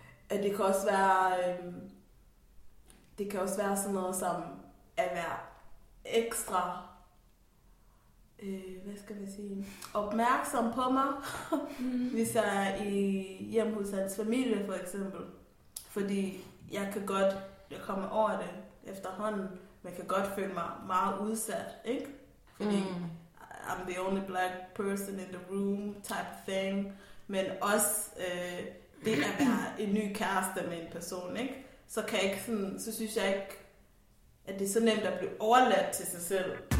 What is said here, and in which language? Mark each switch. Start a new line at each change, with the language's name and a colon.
Danish: At det kan også være, det kan også være sådan noget som at være ekstra, hvad skal vi sige, opmærksom på mig, hvis jeg er i hjem hos hans familie for eksempel. Fordi jeg kan godt, jeg kommer over det efterhånden, men kan godt føle mig meget udsat, ikke? Fordi
English: I'm the only black person in the room type thing.
Danish: Men også det at være en ny kæreste med en person, ikke? Så kan jeg ikke sådan, så synes jeg ikke, at det er så nemt at blive overladt til sig selv.